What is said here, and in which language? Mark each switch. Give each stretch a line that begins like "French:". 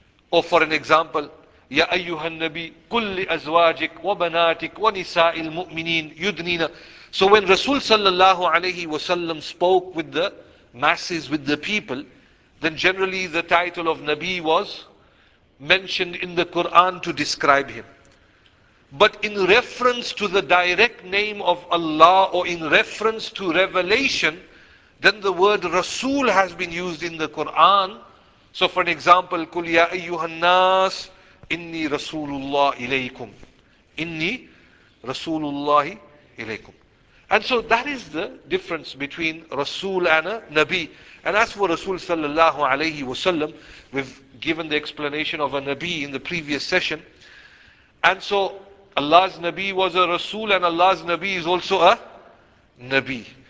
English: Or for an example,
Arabic: يا أيها النبي كل أزواجك وبناتك ونساء المؤمنين يدنين.
English: So when Rasul sallallahu alayhi wasallam spoke with the masses, with the people, then generally the title of Nabi was mentioned in the Quran to describe him. But in reference to the direct name of Allah or in reference to revelation, then the word Rasul has been used in the Quran. So for an example,
Arabic: قُلْ يَا أَيُّهَا النَّاسِ إِنِّي رَسُولُ اللَّهِ إِلَيْكُمْ إِنِّي رَسُولُ اللَّهِ إِلَيْكُمْ.
English: And so that is the difference between Rasul and a Nabi. And as for Rasul sallallahu alayhi wasallam, we've given the explanation of a Nabi in the previous session. And so Allah's Nabi was a Rasul and Allah's Nabi is also a Nabi.